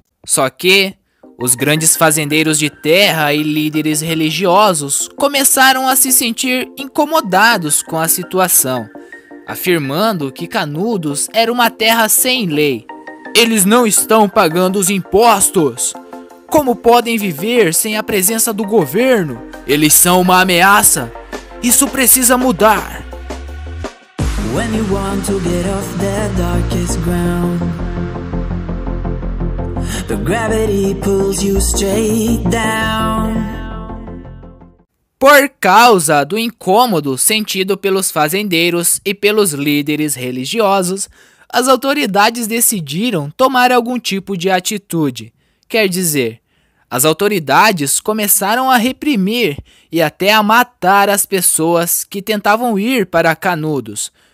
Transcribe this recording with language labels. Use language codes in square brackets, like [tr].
[pt] Só que os grandes fazendeiros de terra e líderes religiosos começaram a se sentir incomodados com a situação, afirmando que Canudos era uma terra sem lei. Eles não estão pagando os impostos! Como podem viver sem a presença do governo? Eles são uma ameaça! Isso precisa mudar! [en] When you want to get off the darkest ground, the gravity pulls you straight down. [pt] Por causa do incômodo sentido pelos fazendeiros e pelos líderes religiosos, as autoridades decidiram tomar algum tipo de atitude. Quer dizer, as autoridades começaram a reprimir e até a matar as pessoas que tentavam ir para Canudos.